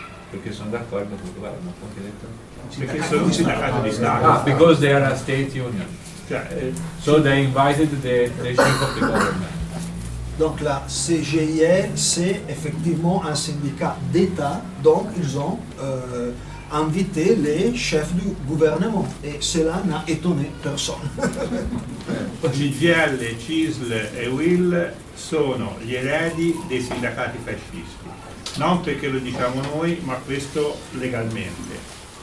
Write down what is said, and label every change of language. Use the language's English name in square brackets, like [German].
[Italian] Perché sono d'accordo con il governo, come hai detto? Perché sono un sindacato di Stato. [English] Ah, because they are a state union. So they invited the chief of the government. [French] Donc la CGIL, c'est effectivement un syndicat d'État, donc ils ont inviter les chefs du gouvernement et cela n'a étonné personne. [Italian] CGL, CISL e UIL sono gli eredi dei sindacati fascisti. Non perché lo diciamo noi, ma questo legalmente.